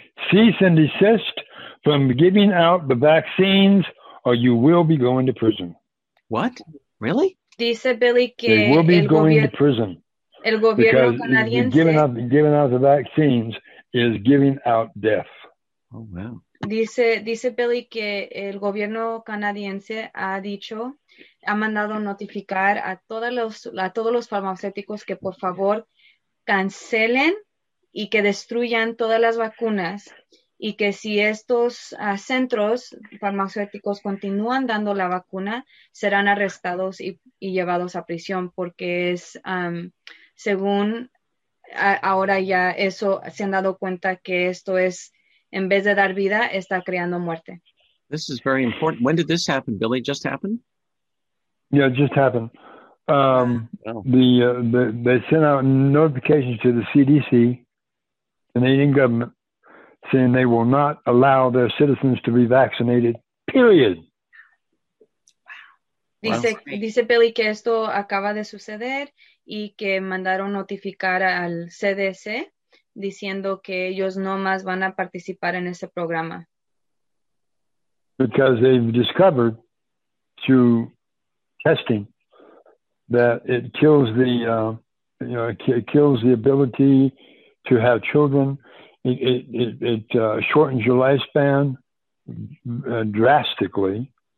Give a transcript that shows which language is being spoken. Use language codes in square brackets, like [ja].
[en] Cease and desist from giving out the vaccines or you will be going to prison. What? Really? [es] Dice Billy que [en] they will be going to prison. [es] El gobierno [en] because [es] canadiense [en] giving out the vaccines is giving out death. Oh, wow. [es] Dice Billy que el gobierno canadiense ha mandado notificar a todos los farmacéuticos que por favor cancelen y que destruyan todas las vacunas y que si estos centros farmacéuticos continúan dando la vacuna serán arrestados y llevados a prisión porque es según ahora ya eso se han dado cuenta que esto es en vez de dar vida, está creando muerte. [en] This is very important. When did this happen, Billy? Just happened? Yeah, it just happened. They sent out notifications to the CDC, Canadian government, saying they will not allow their citizens to be vaccinated, period. [es] Dice Billy que esto acaba de suceder y que mandaron notificar al CDC diciendo que ellos no más van a participar en ese programa. [en] Because they've discovered through testing that it kills the ability to have children. It shortens your lifespan drastically.